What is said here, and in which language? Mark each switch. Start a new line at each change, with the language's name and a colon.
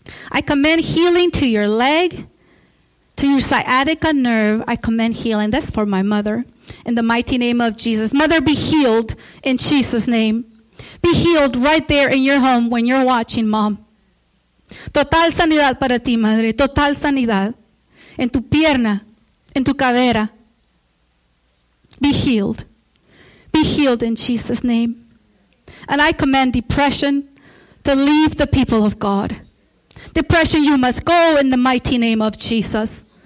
English: I command healing to your leg, to your sciatica nerve. I command healing. That's for my mother in the mighty name of Jesus. Mother, be healed in Jesus' name. Be healed right there in your home when you're watching, Mom.
Spanish: Total sanidad para ti, madre. Total sanidad. En tu pierna, en tu cadera.
English: Be healed. Be healed in Jesus' name. And I command depression to leave the people of God. Depression, you must go in the mighty name of Jesus.